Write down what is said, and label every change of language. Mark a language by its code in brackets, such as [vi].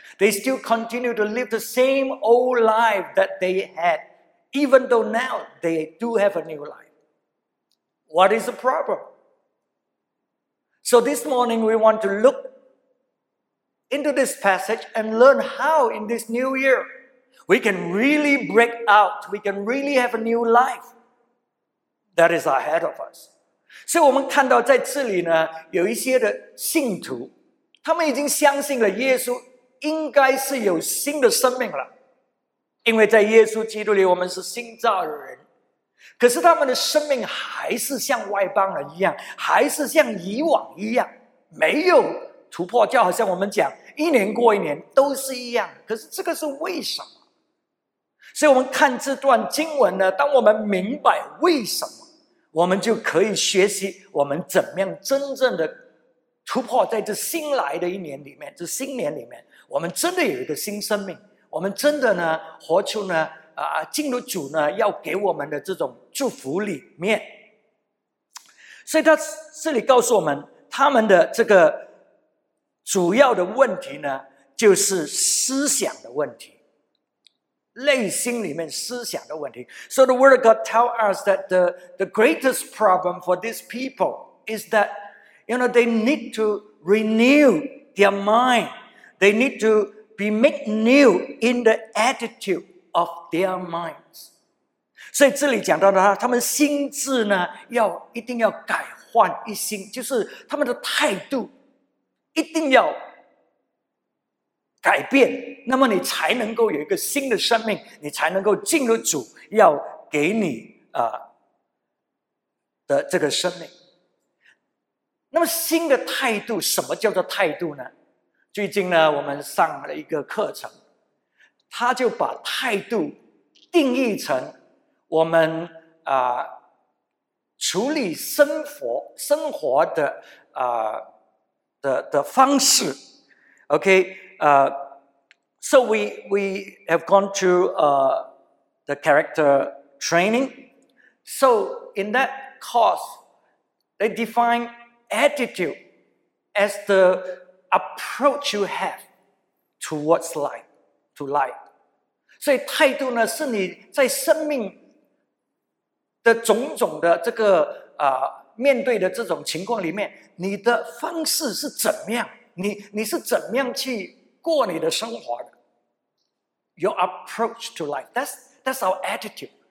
[en] They still continue to live the same old life that they had, even though now they do have a new life. What is the problem? So this morning we want to look into this passage and learn how in this new year we can really break out, we can really have a new life that is ahead of us. [zh] 所以我们看到在这里呢，有一些的信徒，他们已经相信了耶稣应该是有新的生命了，因为在耶稣基督里我们是新造的人，可是他们的生命还是像外邦人一样，还是像以往一样，没有突破，就好像我们讲一年过一年都是一样，可是这个是为什么？所以我们看这段经文呢，当我们明白为什么，我们就可以学习我们怎么样真正的突破，在这新来的一年里面，这新年里面，我们真的有一个新生命，我们真的呢活出呢进入主呢要给我们的这种祝福里面。所以他这里告诉我们，他们的这个主要的问题呢，就是思想的问题，内心里面思想的问题。 [en] So the word of God tell us that the greatest problem for these people is that, you know, they need to renew their mind. They need to be made new in the attitude of their minds. [zh] 所以这里讲到的他们心智呢，要一定要改换一心，就是他们的态度一定要改变，那么你才能够有一个新的生命，你才能够进入主要给你的这个生命。那么新的态度，什么叫做态度呢？最近呢，我们上了一个课程，他就把态度定义成我们处理生活的的方式。 [en] OK, so we have gone through the character training. So in that course, they define attitude as the approach you have towards life, to life. [zh] 所以态度呢，是你在生命的种种的这个面对的这种情况里面，你的方式是怎么样？你是怎么样去过你的生活的 ？ [en] Your approach to life, that's our attitude.